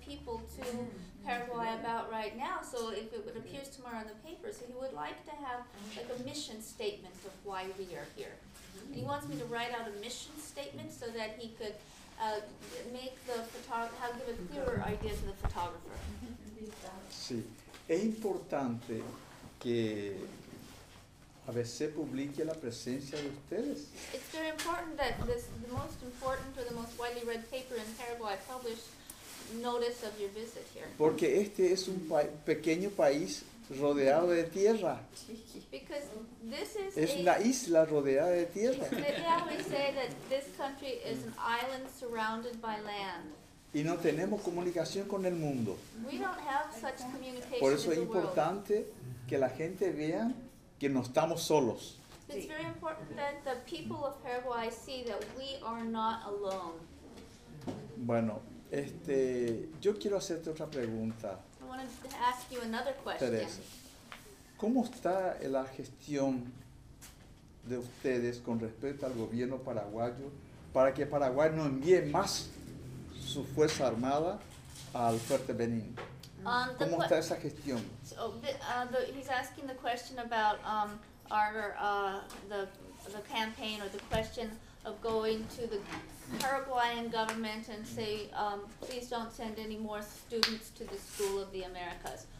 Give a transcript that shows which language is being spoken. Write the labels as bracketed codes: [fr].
[en] people to Paraguay about right now? So if it appears tomorrow in the paper, so he would like to have like a mission statement of why we are here. And he wants me to write out a mission statement so that he could make the photographer, give a clearer idea to the photographer. [es] Sí, es importante que a veces publique la presencia de ustedes. [en] It's very important that this, the most important or the most widely read paper in Paraguay publish notice of your visit here. [es] Porque este es un pequeño país rodeado de tierra. [en] Because this is [es] es una isla rodeada de tierra. [en] They always say that this country is an island surrounded by land. [es] Y no tenemos comunicación con el mundo. [en] We don't have such communication. [es] Por eso es importante que la gente vea que no estamos solos. [en] It's very important that the people of Paraguay see that we are not alone. [es] Bueno, yo quiero hacerte otra pregunta. [en] I wanted to ask you another question. [es] Teresa, ¿cómo está la gestión de ustedes con respecto al gobierno paraguayo para que Paraguay no envíe más su fuerza armada al Fuerte Benín? ¿Cómo está esa gestión? [en] So, he's asking the question about the campaign or the question of going to the Paraguayan government and say, please don't send any more students to the School of the Americas.